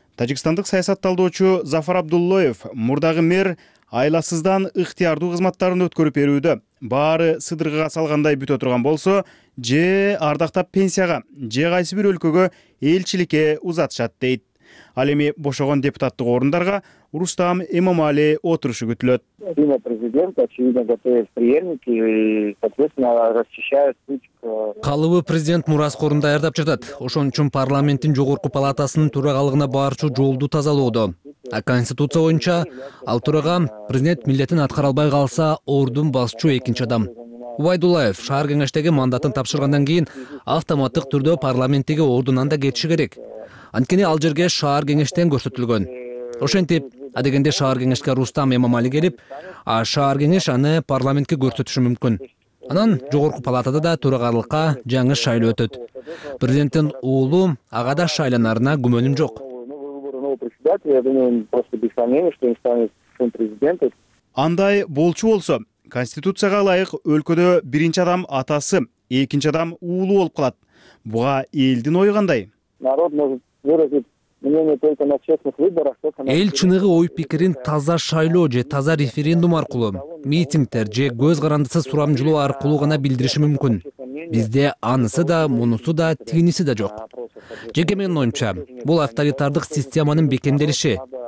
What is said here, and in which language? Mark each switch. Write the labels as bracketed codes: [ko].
[ky] Тажикстандык саясат талдоочу Зафар Абдуллоев мурдагы мэр айласыздан ыктыярдуу кызматтарын өткөрүп берүүдө. Баары сыдыргыга салгандай бүтө турган болсо, же ардактап пенсияга, же кайсы бир өлкөгө элчиликке узатышат дейт. Ал эми бошогон депутаттык орундарга Рустам Эмомали отурушу күтүлөт. [ru] Имя президента, очевидно, готовят преемники и, соответственно, расчищают путь к... [ky] Калыбы президент мураскорун даярдап жатат. Ошон үчүн парламенттин жогорку палатасынын төрагалыгына барчу жолду тазалоодо. А конституция боюнча ал төрага президент милдетин аткара албай калса ордун басчу экинчи адам. Убайдуллаев шаар кеңештеги мандатын тапшыргандан кийин автоматтык түрдө парламенттеги ордунан да кетиши керек. Анткени ал жерге шаар кеңештен көрсөтүлгөн. Ошентип, адегенде шаар кеңешке Рустам Эмомали келип, а шаар кеңеш аны парламентке көрсөтүшү мүмкүн. Анан жогорку палатада да төрагалыкка жаңы шайлоо өтөт. Президенттин уулу ага да шайланарына күмөнүм жок. Андай болчу болсо, конституцияга ылайык өлкөдө биринчи адам атасы, экинчи адам уулу болуп калат. Буга элдин ою кандай? [ru] Народ может выразить мнение только [ky] Эл чыныгы ой пикирин таза шайлоо же таза референдум аркылуу, митингтер же көз карандысыз сурамжылоо аркылуу гана билдириши мүмкүн. Бизде анысы да, мунусу да, тигиниси да жок. Жеке менин оюмча, бул авторитардык системанын бекемделиши.